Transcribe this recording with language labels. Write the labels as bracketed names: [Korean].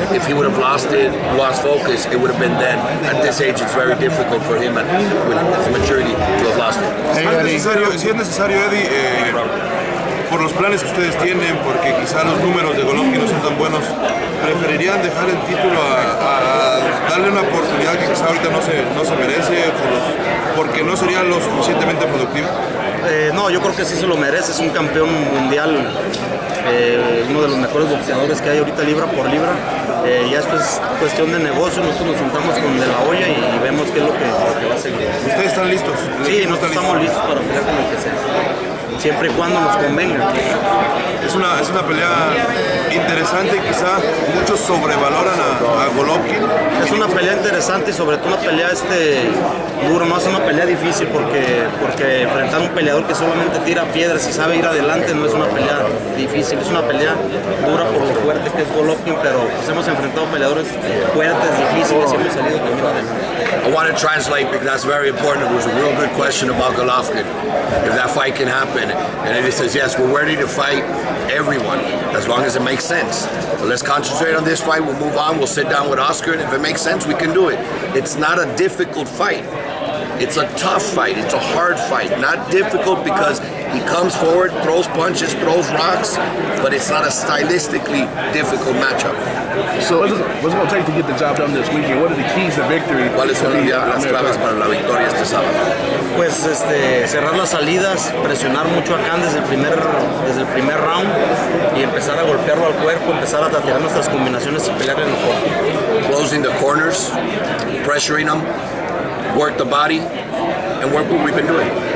[English] If he would have lost focus, it would have been then. At this age, it's very difficult for him and with his maturity to have lost it. [Spanish] Si es necesario, Eddie, por los planes que ustedes tienen, porque quizá los números de Golovkin no sean tan buenos, ¿preferirían dejar el título a darle una oportunidad que quizá ahorita no se merece? ¿Porque no sería lo suficientemente productivo? No, yo creo que sí se lo merece. Es un campeón mundial, uno de los mejores boxeadores que hay ahorita libra por libra. Ya esto es cuestión de negocio. Nosotros nos juntamos con De La Hoya y vemos qué es lo que va a seguir. ¿Ustedes están listos? Sí, nosotros estamos listos para pelear con el que sea. Siempre y cuando nos convenga. Es una pelea interesante, quizá muchos sobrevaloran a Golovkin. Es una pelea interesante y sobre todo una pelea dura, no es una pelea difícil porque enfrentar a un peleador que solamente tira piedras y sabe ir adelante no es una pelea difícil, es una pelea dura por lo fuerte que es Golovkin, pero pues hemos enfrentado peleadores fuertes, difíciles y hemos salido también adelante. [English] I want to translate because that's very important. It was a real good question about Golovkin, if that fight can happen. And Eddie says, yes, we're ready to fight everyone, as long as it makes sense. But let's concentrate on this fight, we'll move on, we'll sit down with Oscar, and if it makes sense, we can do it. It's not a difficult fight. It's a tough fight, it's a hard fight. Not difficult because he comes forward, throws punches, throws rocks, but it's not a stylistically difficult matchup. So what's it going to take to get the job done this weekend? What are the keys to victory? [Spanish] ¿Cuáles son las claves para la victoria este sábado? Pues cerrar las salidas, presionar mucho a Khan desde el primer round y empezar a golpearlo al cuerpo, empezar a tatear nuestras combinaciones y pelearle en el cuerpo. [English] Closing the corners, pressuring them, work the body, and work what we've been doing.